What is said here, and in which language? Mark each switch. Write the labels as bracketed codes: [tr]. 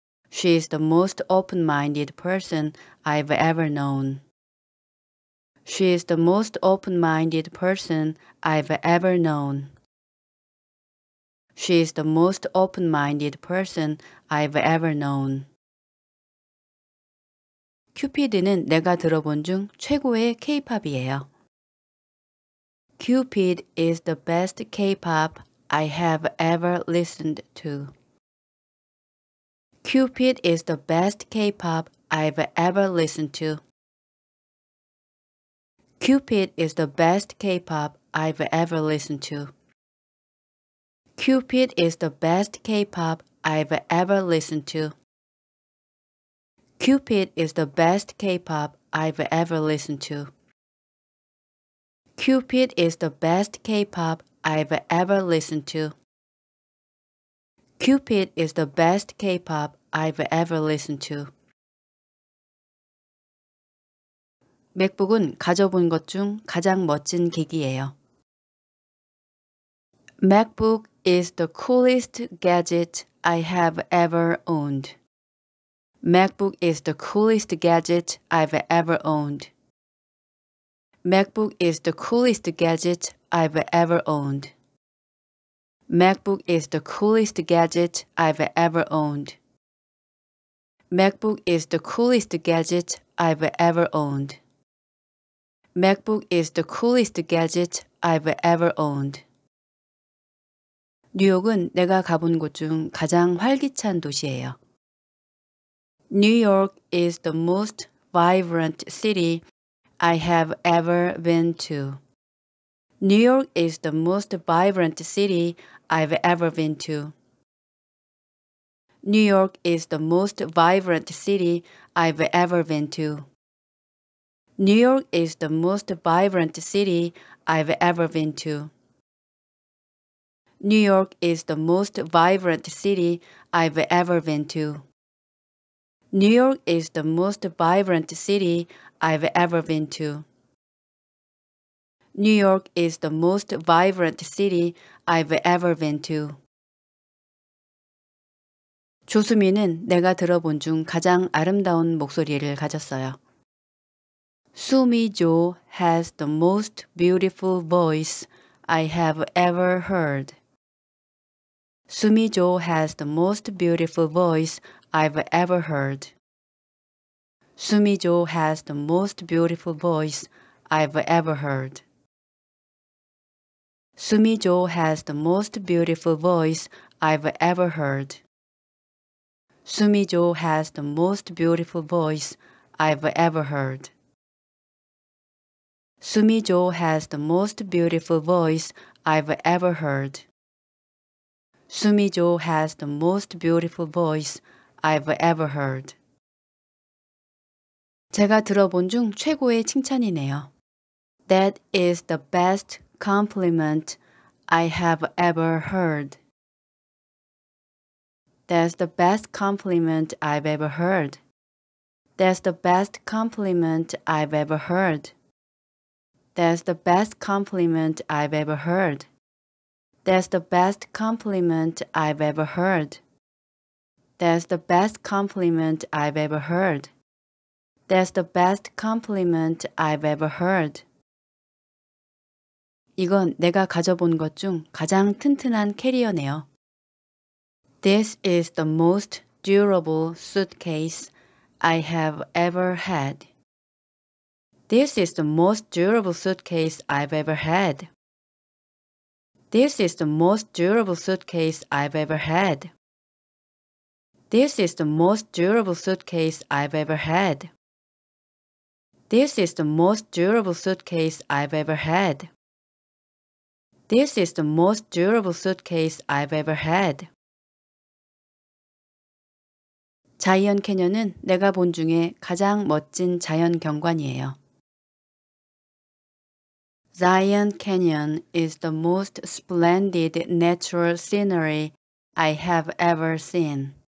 [en] She is the most open-minded person I've ever known. She is the most open-minded person I've ever known. She is the most open-minded person I've ever known. [ko] 큐피드는 내가 들어본 중 최고의 K-POP이에요. [en] Cupid is the best K-POP I have ever listened to. Cupid is the best K-POP I've ever listened to. Cupid is the best K-POP I've ever listened to. Cupid is the best K-POP I've ever listened to. Cupid is the best K-pop I've ever listened to. Cupid is the best K-pop I've ever listened to. Cupid is the best K-pop I've ever listened to. [ko] 맥북은 가져본 것 중 가장 멋진 기기예요. [en] MacBook is the coolest gadget I have ever owned. MacBook is the coolest gadget I've ever owned. MacBook is the coolest gadget I've ever owned. MacBook is the coolest gadget I've ever owned. MacBook is the coolest gadget I've ever owned. MacBook is the coolest gadget I've ever owned. [ko] 뉴욕은 내가 가본 곳 중 가장 활기찬 도시예요. [en] New York is the most vibrant city I have ever been to. New York is the most vibrant city I've ever been to. New York is the most vibrant city I've ever been to. New York is the most vibrant city I've ever been to. New York is the most vibrant city I've ever been to. New York is the most vibrant city I've ever been to. New York is the most vibrant city I've ever been to. [ko] 조수미는 내가 들어본 중 가장 아름다운 목소리를 가졌어요. [en] Sumi Jo has the most beautiful voice I have ever heard. Sumi Jo has the most beautiful voice I've ever heard. Sumi Jo has the most beautiful voice I've ever heard. Sumi Jo has the most beautiful voice I've ever heard. Sumi Jo has the most beautiful voice I've ever heard. Sumi Jo has the most beautiful voice I've ever heard. Sumi Jo has the most beautiful voice I've ever heard. [ko] 제가 들어본 중 최고의 칭찬이네요. [en] That is the best compliment I have ever heard. That's the best compliment I've ever heard. That's the best compliment I've ever heard. That's the best compliment I've ever heard. That's the best compliment I've ever heard. That's the best compliment I've ever heard. That's the best compliment I've ever heard. [ko] 이건 내가 가져본 것 중 가장 튼튼한 캐리어네요. [en] This is the most durable suitcase I have ever had. This is the most durable suitcase I've ever had. This is the most durable suitcase I've ever had. This is the most durable suitcase I've ever had. This is the most durable suitcase I've ever had. This is the most durable suitcase I've ever had. [ko] 자이언 캐년은 내가 본 중에 가장 멋진 자연 경관이에요. [en] Zion Canyon is the most splendid natural scenery I have ever seen.